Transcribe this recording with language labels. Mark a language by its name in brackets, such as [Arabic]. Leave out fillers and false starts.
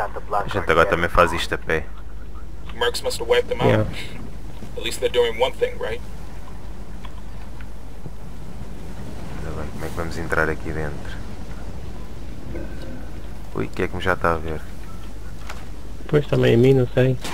[Portuguese] A gente agora também faz isto a pé. [English] Marks must have wiped them out. Yeah. At least they're doing one thing, right? [Portuguese] Como é que vamos entrar aqui dentro? Ui, o que é que me já está a ver? Pois também a mim, não sei.